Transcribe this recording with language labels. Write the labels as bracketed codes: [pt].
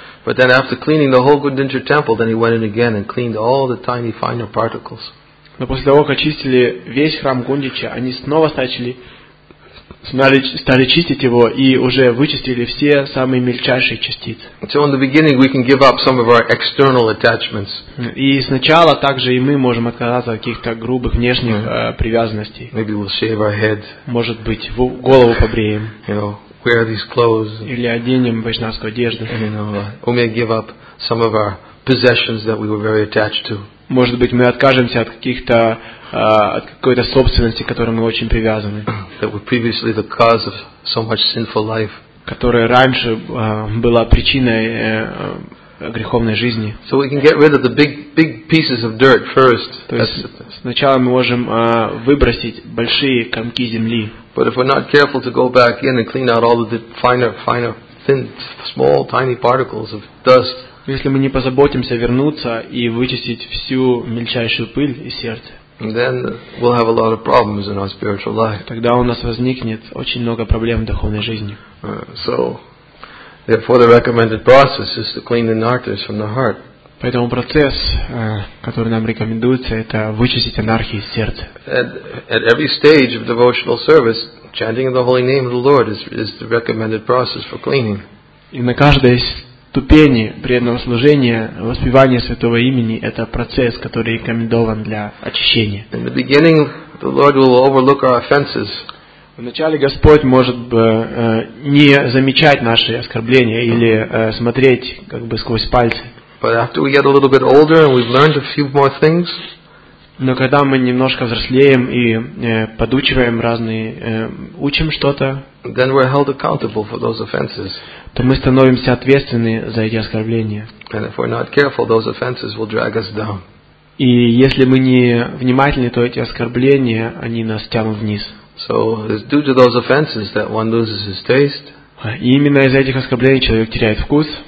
[en] But then after cleaning the whole Gundinja temple, then he went in again and cleaned all the tiny finer particles. [ru] Но после того, как очистили весь храм Гундича, они снова стали чистить его и уже вычистили все самые мельчайшие частицы. [en] So in the beginning we can give up some of our external attachments. [ru] И сначала также и мы можем отказаться от каких-то грубых внешних привязанностей. [en] Maybe we'll shave our head. [ru] Может быть, голову побреем. [en] You know, wear these clothes. [ru] Или оденем вайшнавскую одежду. [en] You know, we may give up some of our possessions that we were very attached to. [ru] Может быть, мы откажемся от каких-то от какой-то собственности, к которой мы очень привязаны. [en] That were previously the cause of so much sinful life. [ru] Которая раньше была причиной греховной жизни. [en] So we can get rid of the big pieces of dirt first. [ru] То есть сначала мы можем выбросить большие комки земли. [en] But if we're not careful to go back in and clean out all of the finer, thin, small, tiny particles of dust. [ru] Если мы не позаботимся вернуться и вычистить всю мельчайшую пыль из сердца, [en] then we'll have a lot of problems in our spiritual life. [ru] Тогда у нас возникнет очень много проблем в духовной жизни. [en] So, therefore, the recommended process is to clean the anarthas from the heart. [ru] Поэтому процесс, который нам рекомендуется, это вычистить анархии из сердца. [en] At every stage of devotional service, chanting the holy name of the Lord is the recommended process for cleaning. [ru] И на каждой ступени преданного служения воспевание святого имени – это процесс, который рекомендован для очищения. [en] In the beginning, the Lord will overlook our offenses. [ru] Вначале Господь может не замечать наши оскорбления или смотреть как бы сквозь пальцы. [en] But after we get a little bit older and we've learned a few more things. [ru] Но когда мы немножко взрослеем и подучиваем разные, учим что-то, [en] then we're held accountable for those offenses. [ru] То мы становимся ответственны за эти оскорбления. [en] And if we're not careful, those offenses will drag us down. [ru] И если мы не внимательны, то эти оскорбления, они нас тянут вниз. [en] So it's due to those offenses that one loses his taste. [ru] И именно из-за этих оскорблений человек теряет вкус.